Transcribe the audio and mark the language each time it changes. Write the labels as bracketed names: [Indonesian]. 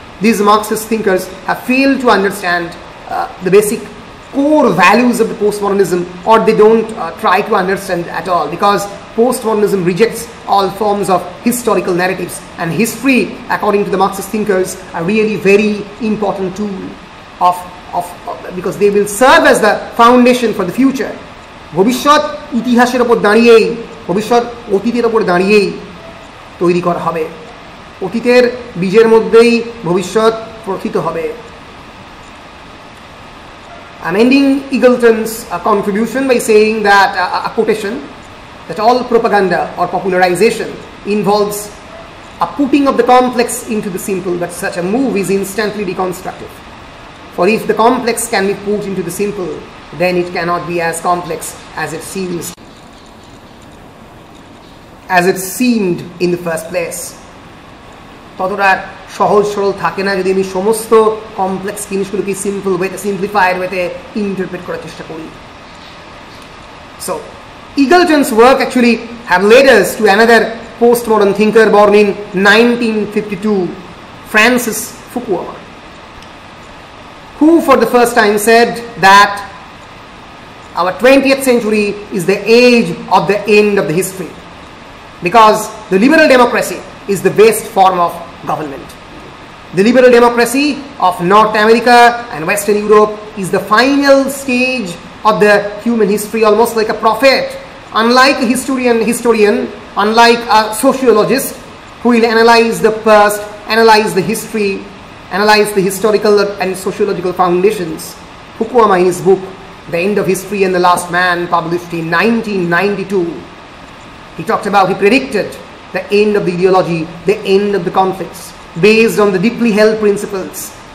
[English] These Marxist thinkers have failed to understand the basic core values of the postmodernism, or they don't try to understand at all, because postmodernism rejects all forms of historical narratives, and history, according to the Marxist thinkers, are really very important tool of because they will serve as the foundation for the future. [Bangla] ভবিষ্যৎ ইতিহাসের উপর দাঁড়িয়েই, ভবিষ্যৎ অতীতের উপর দাঁড়িয়েই তৈরি করা হবে, অতীতের বীজের মধ্যেই ভবিষ্যৎ প্রথিত হবে। [English] I'm ending Eagleton's contribution by saying that a quotation, that all propaganda or popularization involves a putting of the complex into the simple, but such a move is instantly deconstructive. For if the complex can be put into the simple, then it cannot be as complex as it seemed in the first place. [Bangla] ততটা সহজ সরল থাকে না যদি আমি সমস্ত complex জিনিসগুলোকে simple ওয়েতে সিম্পলিফাইড ওয়েতে ইন্টারপ্রেট করার চেষ্টা করি. [English] So Eagleton's work actually have led us to another post modern thinker born in 1952, Francis Fukuyama, who for the first time said that our 20th century is the age of the end of the history because the liberal democracy is the best form of government. The liberal democracy of North America and Western Europe is the final stage of the human history, almost like a prophet. Unlike a historian, unlike a sociologist who will analyze the past, analyze the history, analyze the historical and sociological foundations, Fukuyama in his book The End of History and the Last Man, published in 1992, he predicted the end of the ideology, the end of the conflicts, based on the deeply held principles.